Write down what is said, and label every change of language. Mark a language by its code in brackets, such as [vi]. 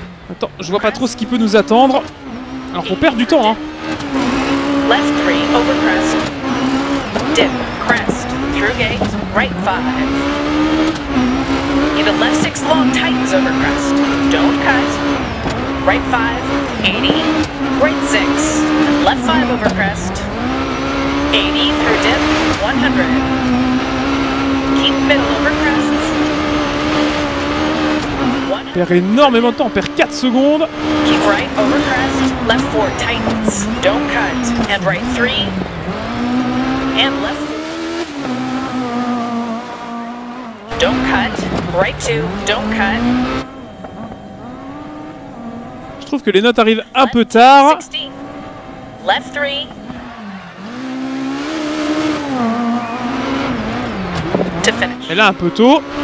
[fr] Attends, je vois pas trop ce qui peut nous attendre. Alors qu'on perd du temps hein. [en] Left 3, over crest. Dip, crest, through gate, right 5. Even left 6, long tightens over crest. Don't cut. Right 5, 80. Right 6, left 5 over crest. 80 through dip, 100. Keep middle over crest. [fr] Perd énormément de temps, perd 4 secondes. [en] Keep right over crest, left 4 tightens, don't cut, and right 3, and left 4. Don't cut, right 2, don't cut. [fr] Je trouve que les notes arrivent un peu tard. [en] 60. Left 3. To finish. [fr] Et là un peu tôt.